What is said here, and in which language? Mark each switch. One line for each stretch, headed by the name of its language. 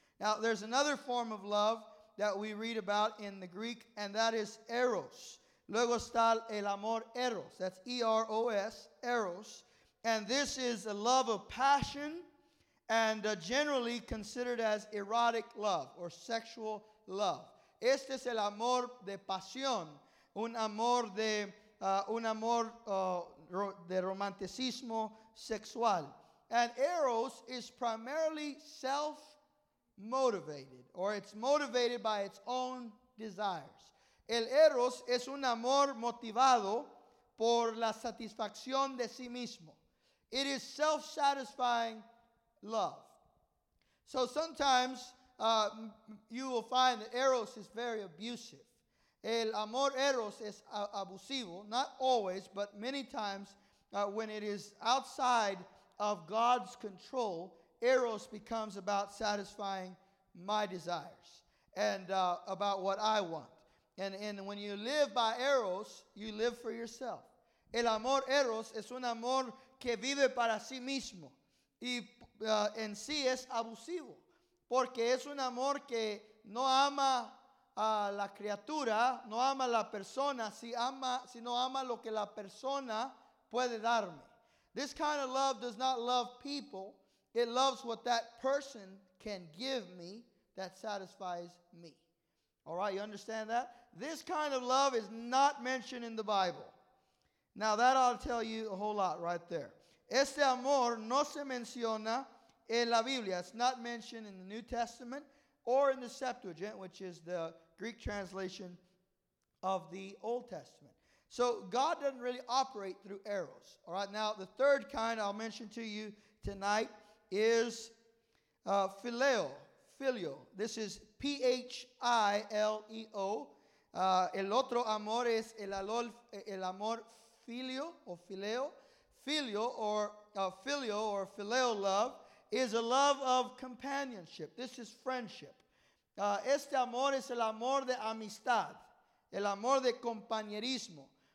English: Now, there's another form of love that we read about in the Greek, and that is eros.
Spanish: Luego está el amor eros.
English: That's E-R-O-S, eros. And this is a love of passion and generally considered as erotic love or sexual love.
Spanish: Este es el amor de pasión, un amor de romanticismo sexual.
English: And eros is primarily self-motivated, or it's motivated by its own desires.
Spanish: El eros es un amor motivado por la satisfacción de sí mismo.
English: It is self-satisfying love. So sometimes you will find that eros is very abusive.
Spanish: El amor eros es abusivo,
English: not always, but many times when it is outside of God's control, eros becomes about satisfying my desires and about what I want. And when you live by eros, you live for yourself.
Spanish: El amor eros es un amor que vive para sí mismo. Y en sí es abusivo. Porque es un amor que no ama a la criatura, no ama a la persona, sino ama lo que la persona puede darme.
English: This kind of love does not love people. It loves what that person can give me that satisfies me. All right, you understand that? This kind of love is not mentioned in the Bible. Now, that ought to tell you a whole lot right there.
Spanish: Este amor no se menciona en la Biblia.
English: It's not mentioned in the New Testament or in the Septuagint, which is the Greek translation of the Old Testament. So, God doesn't really operate through eros. All right, now, the third kind I'll mention to you tonight is phileo. Filio. This is P-H-I-L-E-O.
Spanish: El otro amor es el amor filio o fileo.
English: Filio or fileo love is a love of companionship. This is friendship.
Spanish: Este amor es el amor de amistad, el amor de compañerismo.